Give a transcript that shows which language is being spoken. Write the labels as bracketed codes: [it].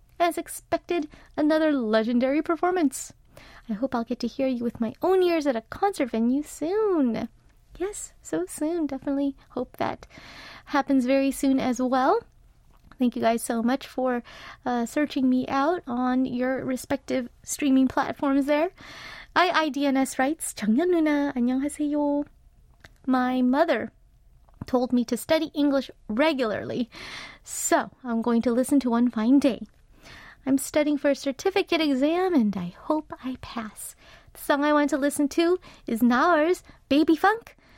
[en] As expected, another legendary performance. I hope I'll get to hear you with my own ears at a concert venue soon. Yes, so soon. Definitely hope that happens very soon as well. Thank you guys so much for searching me out on your respective streaming platforms there. IIDNS writes, [ko] 정연 누나, 안녕하세요. [en] My mother told me to study English regularly, so I'm going to listen to One Fine Day. I'm studying for a certificate exam, and I hope I pass. The song I want to listen to is Naur's Baby Funk.